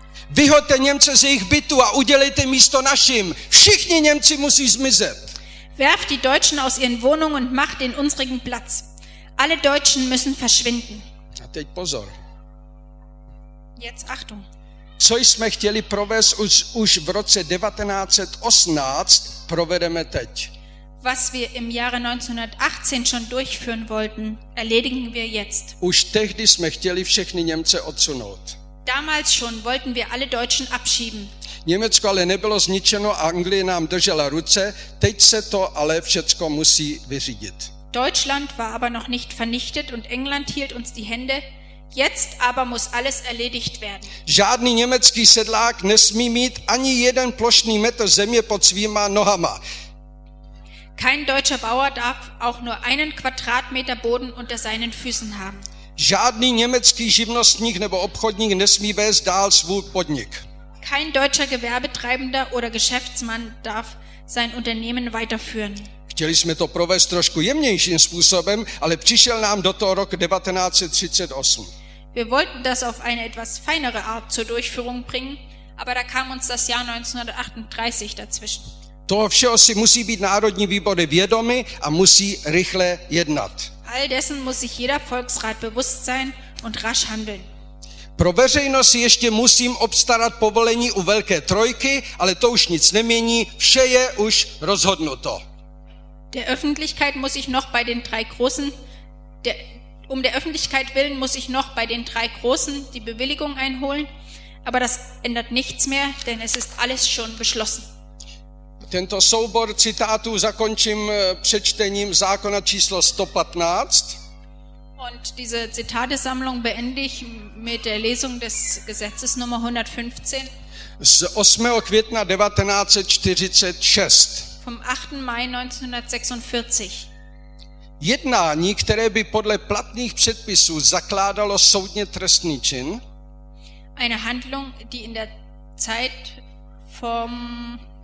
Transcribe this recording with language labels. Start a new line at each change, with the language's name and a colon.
Czech: Vyhoďte Němce z jejich bytu a udělejte místo našim. Všichni Němci musí zmizet.
German: Werft die Deutschen aus ihren Wohnungen und macht den unsrigen Platz. Alle Deutschen müssen verschwinden.
Czech: A teď pozor.
German: Jetzt Achtung.
Czech: Co jsme chtěli provést už v roce 1918, provedeme teď.
German: Was wir im Jahre 1918 schon durchführen wollten, erledigen wir jetzt.
Czech: Už tehdy jsme chtěli všechny Němce odsunout.
German: Damals schon wollten wir alle Deutschen abschieben.
Czech: Německo ale nebylo zničeno a Anglie nám držela ruce, teď se to ale všecko musí vyřídit.
German: Deutschland war aber noch nicht vernichtet und England hielt uns die Hände, jetzt aber muss alles erledigt werden.
Czech: Žádný německý sedlák nesmí mít ani jeden plošný metr země pod svýma nohama.
German: Kein deutscher Bauer darf auch nur einen Quadratmeter Boden unter seinen Füßen haben.
Czech: Žádný německý živnostník nebo obchodník nesmí vést dál svůj podnik.
German: Kein deutscher Gewerbetreibender oder Geschäftsmann darf sein Unternehmen weiterführen.
Czech: Chtěli jsme to provést trošku jemnějším způsobem, ale přišel nám do toho rok 1938.
German: Wir wollten das auf eine etwas feinere Art zur Durchführung bringen, aber da kam uns das Jahr 1938 dazwischen.
Czech: Toho všeho si musí být národní výbory vědomy a musí rychle jednat.
German: All dessen muss sich jeder Volksrat bewusst sein und rasch handeln.
Czech: Pro veřejnost ještě musím obstarat povolení u Velké trojky, ale to už nic nemění, vše je už rozhodnuto.
German: Der Öffentlichkeit muss ich noch bei den drei Großen, um der Öffentlichkeit willen muss ich noch bei den drei Großen die Bewilligung einholen, aber das ändert nichts mehr, denn es ist alles schon beschlossen.
Czech: Tento soubor citátů zakončím přečtením zákona číslo 115.
German: Und diese Zitatesammlung beende ich mit der Lesung des Gesetzes Nummer 115.
Czech: Z 8. května 1946.
German: Vom 8. Mai 1946.
Czech: Jednání, které by podle platných předpisů zakládalo soudně trestný čin.
German: Eine Handlung, die in der Zeit vom